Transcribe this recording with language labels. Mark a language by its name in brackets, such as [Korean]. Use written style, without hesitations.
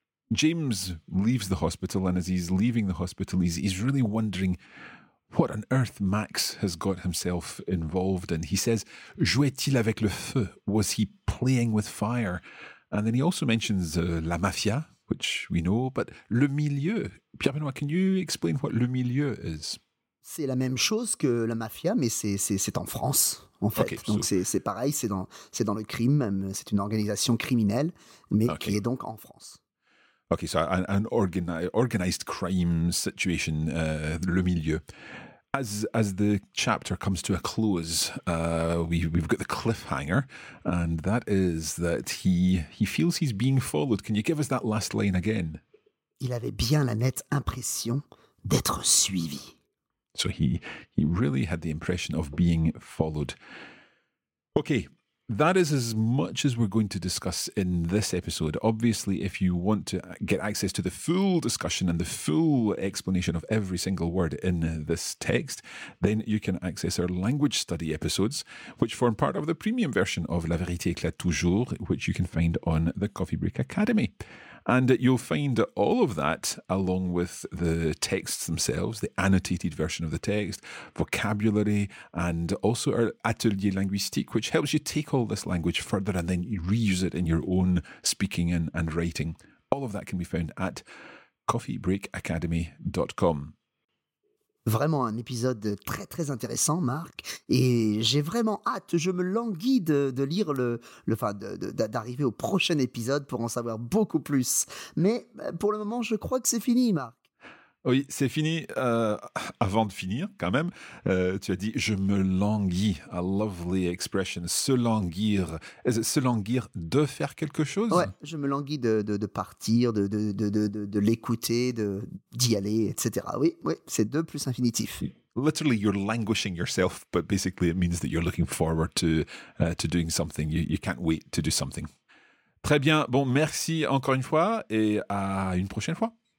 [English] James leaves the hospital, and as he's leaving the hospital, he's really wondering what on earth Max has got himself involved in. He says, [French] jouait-il avec le feu? [English] Was he playing with fire? And then he also mentions la mafia, which we know, but le milieu. Pierre Benoît, can you explain what le milieu is? [French] C'est la même chose que la mafia, mais c'est en France, en fait. Okay, donc c'est pareil, c'est dans le crime, c'est une organisation criminelle, mais okay. Qui est donc en France. [English] Okay, so an organized crime situation, le milieu. As the chapter comes to a close, we've got the cliffhanger, and that is that he feels he's being followed. Can you give us that last line again? [French] Il avait bien la nette impression d'être suivi. [English] So he really had the impression of being followed. Okay. That is as much as we're going to discuss in this episode. Obviously, if you want to get access to the full discussion and the full explanation of every single word in this text, then you can access our language study episodes, which form part of the premium version of La Vérité Éclate Toujours, which you can find on the Coffee Break Academy. And you'll find all of that along with the texts themselves, the annotated version of the text, vocabulary, and also our Atelier Linguistique, which helps you take all this language further and then you reuse it in your own speaking and writing. All of that can be found at coffeebreakacademy.com. [French] Vraiment un épisode très très intéressant, Marc, et j'ai vraiment hâte, je me languis de lire d'arriver au prochain épisode pour en savoir beaucoup plus. Mais pour le moment, je crois que c'est fini, Marc. Oui, c'est fini. Avant de finir, quand même, tu as dit « je me languis », [English] a lovely expression, [French] se languir. Est-ce se languir de faire quelque chose? Ouais, je me languis de partir, de l'écouter, d'y aller, etc. Oui, oui, c'est deux plus infinitif. [English] Literally, you're languishing yourself, but basically it means that you're looking forward to doing something. You can't wait to do something. [French] Très bien. Bon, merci encore une fois et à une prochaine fois.